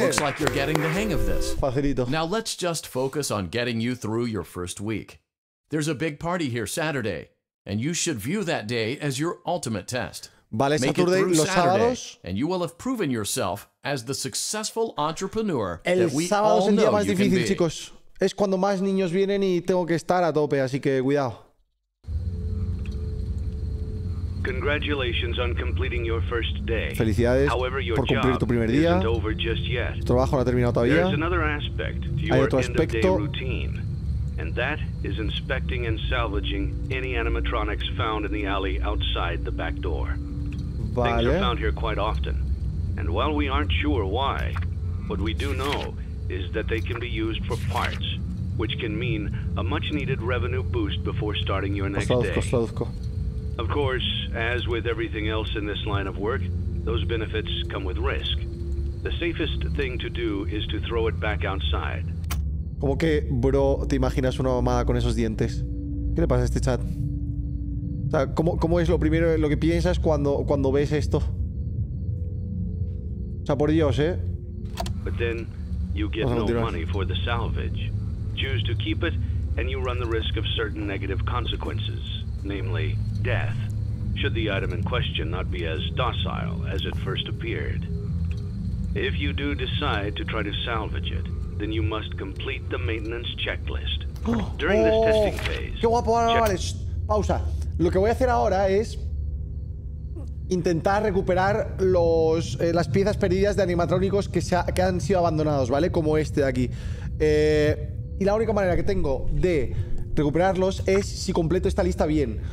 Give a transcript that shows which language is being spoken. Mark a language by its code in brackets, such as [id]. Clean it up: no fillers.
[en] It looks like you're getting the hang of this. [es] Facilito. [en] Now let's just focus on getting you through your first week. There's a big party here Saturday, and you should view that day as your ultimate test. [es] Vale, Saturday, los sábados. [en] And you will have proven yourself as the successful entrepreneur. [es] El sábado es el día más difícil, chicos. Es cuando más niños vienen y tengo que estar a tope, así que cuidado. [en] Congratulations on completing your first day. [es] Felicidades por cumplir tu primer día. Tu trabajo no ha terminado todavía. Hay otro aspecto. [en] And that is inspecting and salvaging any animatronics found in the alley outside the back door. [es] Vale. [en] Things are found here quite often. And while we aren't sure why, what we do know is that they can be used for parts, which can mean a much needed revenue boost before starting your next day. Of course, as with everything else in this line of work, those benefits come with risk. The safest thing to do is to throw it back outside. [es] ¿Cómo que, bro, te imaginas una mamada con esos dientes? ¿Qué le pasa a este chat? O sea, ¿cómo es lo primero lo que piensas cuando ves esto? O sea, por Dios, ¿eh? [en] But then you get no money for the salvage. Choose to keep it and you run the risk of certain negative consequences, namely death, should the item in question not be as docile as it first appeared. If you do decide to try to salvage it, then you must complete the maintenance checklist. During this testing phase. [es] Qué guapo, vale. Pausa. Lo que voy a hacer ahora es intentar recuperar las piezas perdidas de animatrónicos que han sido abandonados, ¿vale? Como este de aquí. Y la única manera que tengo de recuperarlos es si completo esta lista bien.